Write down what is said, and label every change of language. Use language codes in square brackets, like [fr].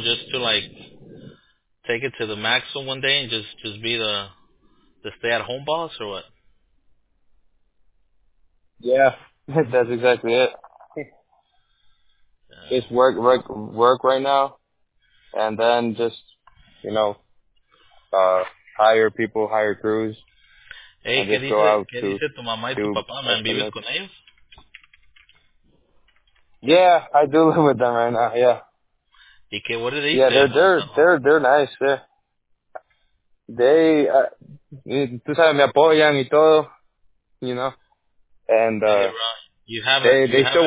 [en] Just to, like, take it to the maximum one day and just be the stay-at-home boss or what? Yeah, that's exactly it. Yeah. Just work right now and then just, you know, hire people, hire crews. [es] Hey, ¿qué dice, tu mamá y tu papá, man? ¿Vives con ellos? [en] Yeah, I do live with them right now, yeah. Okay, what are they? Yeah, they're nice. They, [es] tú sabes, me apoyan y todo, [en] you know. And they still